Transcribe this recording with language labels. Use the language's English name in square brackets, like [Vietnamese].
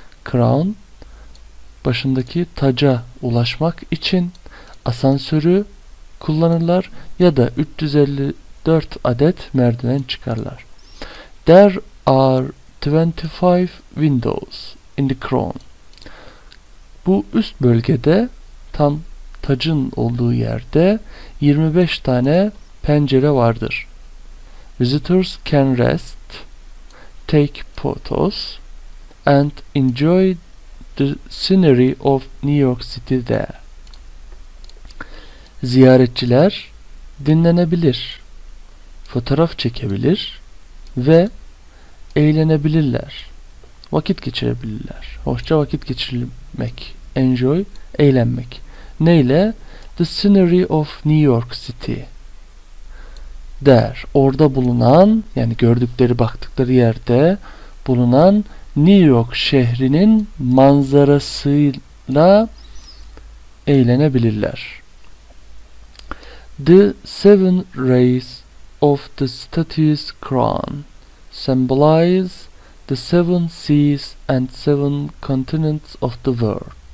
[Turkish] Crown başındaki taca ulaşmak için asansörü kullanırlar ya da 354 adet merdiven çıkarlar. [English] There are 25 windows in the crown. [Turkish] Bu üst bölgede tam tacın olduğu yerde 25 tane pencere vardır. [English] Visitors can rest, take photos and enjoy the scenery of New York City there. [Turkish] Ziyaretçiler dinlenebilir, fotoğraf çekebilir ve eğlenebilirler. Vakit geçirebilirler. Hoşça vakit geçirmek, enjoy, eğlenmek. Neyle? [English] The scenery of New York City der. [Turkish] Orada bulunan, yani gördükleri, baktıkları yerde bulunan New York şehrinin manzarasıyla eğlenebilirler. [English] The seven rays of the statue's crown symbolize the seven seas and seven continents of the world.